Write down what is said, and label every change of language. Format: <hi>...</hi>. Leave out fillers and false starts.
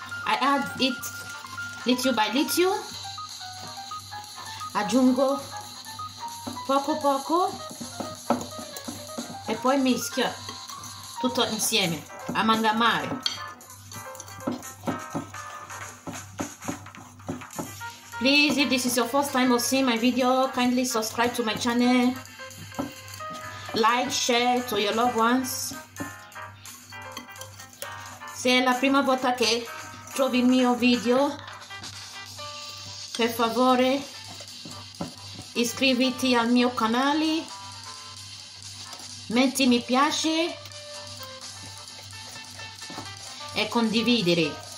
<en>I add it little by little,</en> <it>aggiungo poco e poi mischio tutto insieme, amalgamare.</it> <en>Please, if this is your first time of seeing my video, kindly subscribe to my channel, like, share to your loved ones.</en> <it>Se è la prima volta che trovi il mio video, per favore iscriviti al mio canale, metti mi piace e condividere.</it>